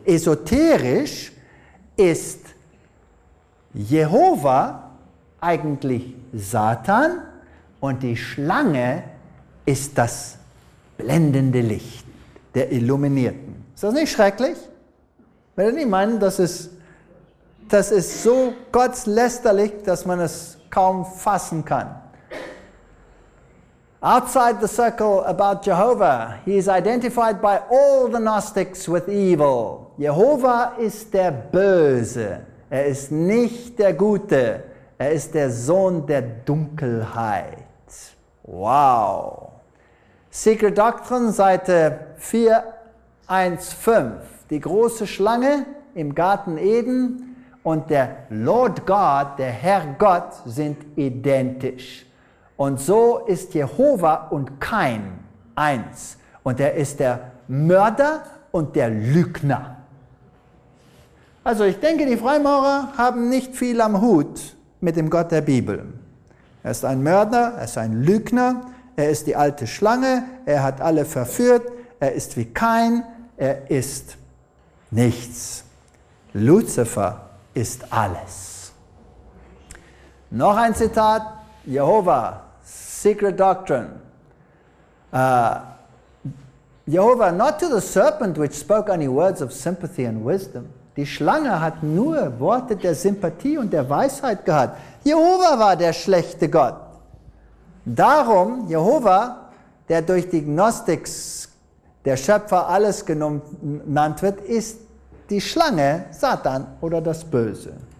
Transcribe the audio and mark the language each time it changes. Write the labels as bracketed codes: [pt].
[de] Esoterisch ist Jehova eigentlich Satan und die Schlange ist das blendende Licht der Illuminierten. Ist das nicht schrecklich? Wenn ihr nicht meinen, das ist so gottlästerlich, dass man es kaum fassen kann. [en] Outside the circle about Jehovah, he is identified by all the Gnostics with evil. [de] Jehova ist der Böse. Er ist nicht der Gute, er ist der Sohn der Dunkelheit. Wow! Secret Doctrine, Seite 415. Die große Schlange im Garten Eden und der Lord God, der Herr Gott, sind identisch. Und so ist Jehova und Kain eins. Und er ist der Mörder und der Lügner. Also ich denke, die Freimaurer haben nicht viel am Hut mit dem Gott der Bibel. Er ist ein Mörder, er ist ein Lügner, er ist die alte Schlange, er hat alle verführt, er ist wie Kain, er ist nichts. Luzifer ist alles. Noch ein Zitat, Jehova, Secret Doctrine. [en] Jehova, not to the serpent which spoke only words of sympathy and wisdom. [de] Die Schlange hat nur Worte der Sympathie und der Weisheit gehabt. Jehova war der schlechte Gott. Darum, Jehova, der durch die Gnostics der Schöpfer alles genannt wird, ist die Schlange, Satan oder das Böse.